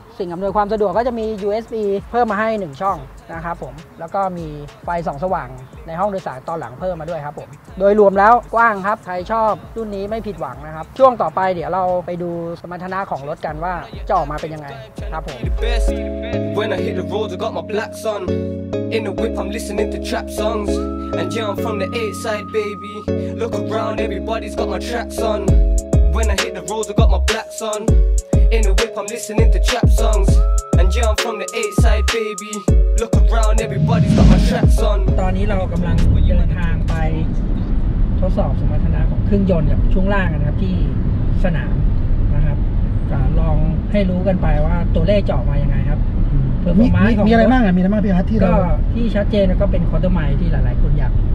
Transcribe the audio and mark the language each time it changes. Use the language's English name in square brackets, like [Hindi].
[Thai] สิ่งอำนวยความสะดวกก็จะมี USB เพิ่มมาให้1ช่องนะครับผมแล้วก็มีไฟส่องสว่างในห้องโดยสารตอนหลังเพิ่มมาด้วยครับผมโดยรวมแล้วกว้างครับใครชอบรุ่นนี้ไม่ผิดหวังนะครับช่วงต่อไปเดี๋ยวเราไปดูสมรรถนะของรถกันว่าจะออกมาเป็นยังไงครับผม [English] When I hit the road, I got my blacks on. In the whip, I'm listening to trap songs. And yeah, I'm from the 8th side, baby. Look around, everybody's got my tracks on. When I hit the road, I got my blacks on. In the whip, I'm listening to trap songs. And yeah, I'm from the 8th side, baby. Look around, everybody's got my tracks on. [Thai] ตอนนี้เรากำลังเดินทางไปทดสอบสมรรถนะของเครื่องยนต์กับช่วงล่างนะครับที่สนามนะครับลองให้รู้กันไปว่าตัวเลขจะออกมายังไงครับ มีอะไรบ้างอ่ะมีอะไรบ้างพี่ฮัทที่เรา ก็ที่ชัดเจนก็เป็นควอเตอร์ไมล์ที่หลายๆคนอยาก